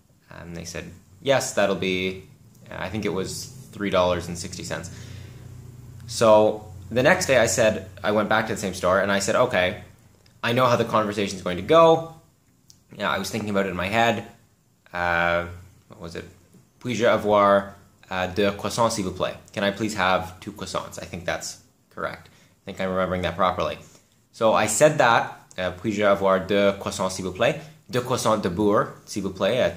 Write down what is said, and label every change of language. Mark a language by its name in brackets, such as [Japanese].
[English] And they said, yes, that'll be, I think it was $3.60. So the next day I went back to the same store and I said, okay, I know how the conversation is going to go. You know, I was thinking about it in my head. What was it? [French] Puis-je avoir deux croissants, s'il vous plaît? [English] Can I please have 2 croissants? I think that's correct. I think I'm remembering that properly. So I said that. [French] Puis-je avoir deux croissants, s'il vous plaît? Deux croissants de beurre, s'il vous plaît.